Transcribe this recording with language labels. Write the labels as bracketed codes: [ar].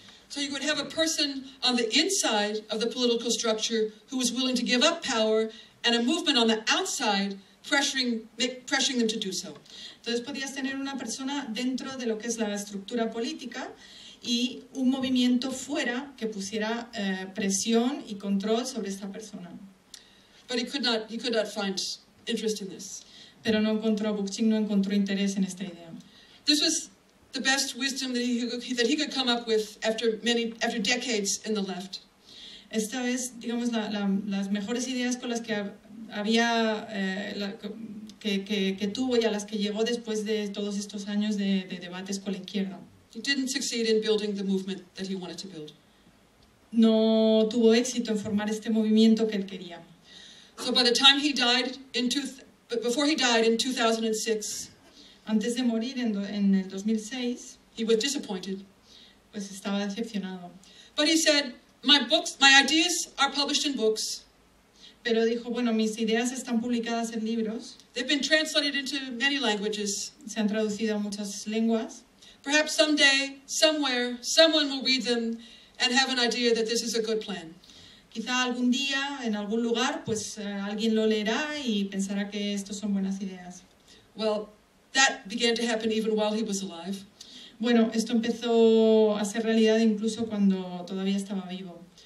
[en] So you would have a person on the inside of the political structure who was willing to give up power, and a movement on the outside pressuring them to do so. [es] Entonces podías tener una persona dentro de lo que es la estructura política y un movimiento fuera que pusiera presión y control sobre esta persona. [en] But he could not find interest in this. [es] Pero no encontró, Bookchin no encontró interés en esta idea. [en] This was the best wisdom that he could come up with after decades in the left. [es] Esta es, digamos, las mejores ideas con las que había que tuvo y a las que llegó después de todos estos años de debates con la izquierda. [en] He didn't succeed in building the movement that he wanted to build. [es] No tuvo éxito en formar este movimiento que él quería. [en] So by the time he died before he died in 2006, [es] antes de morir en el 2006, [en] He was disappointed. [es] Pues estaba decepcionado. [en] But he said, my books, my ideas are published in books. [es] Pero dijo, bueno, mis ideas están publicadas en libros. [en] They've been translated into many languages. [es] Se han traducido a muchas lenguas. [en] Perhaps someday, somewhere, someone will read them and have an idea that this is a good plan. [es] Quizá algún día, en algún lugar, pues alguien lo leerá y pensará que estos son buenas ideas. [en] Well, that began to happen even while he was alive. [es] Bueno, esto empezó a ser realidad incluso cuando todavía estaba vivo.